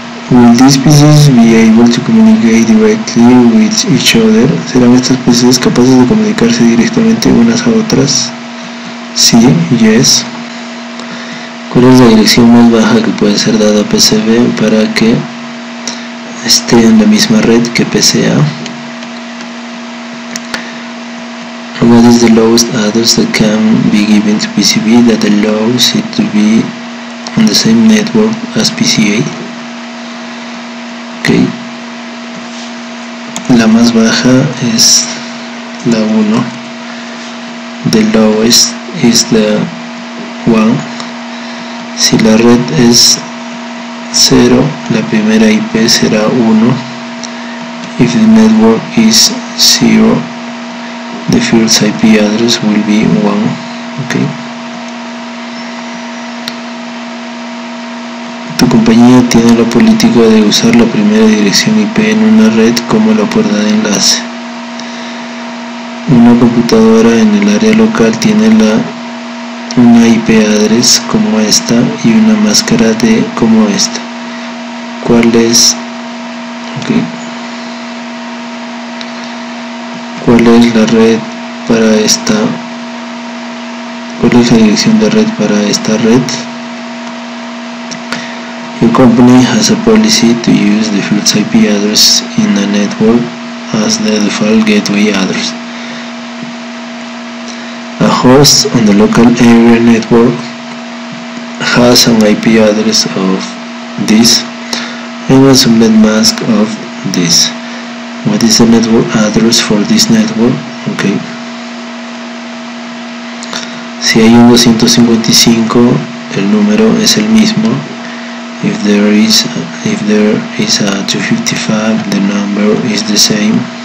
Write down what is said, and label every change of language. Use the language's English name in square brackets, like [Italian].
[English] Will these pieces be able to communicate directly with each other? [Spanish] ¿Serán estas piezas capaces de comunicarse directamente unas a otras? Sí, [English] yes. [Spanish] ¿Cuál es la dirección más baja que puede ser dada a PCB para que esté en la misma red que PCA? [English] What is the lowest address that can be given to PCB that allows it to be on the same network as PCA? Okay. [Spanish] La más baja es la 1. [English] The lowest is the 1. [Spanish] Si la red es 0, la primera IP será 1. [English] If the network is 0, the first IP address will be 1. Okay. [Spanish] Tu compañía tiene la política de usar la primera dirección IP en una red como la puerta de enlace. Una computadora en el área local tiene una IP address como esta y una máscara de como esta. ¿Cuál es? Okay. ¿Cuál es la red para esta? ¿Cuál es la dirección de red para esta red? [English] Your company has a policy to use the first IP address in the network as the default gateway address. A host on the local area network has an IP address of this and a subnet mask of this. What is the network address for this network? Okay. [Spanish] Si hay un 255, el número es el mismo. [English] If there is a 255, the number is the same.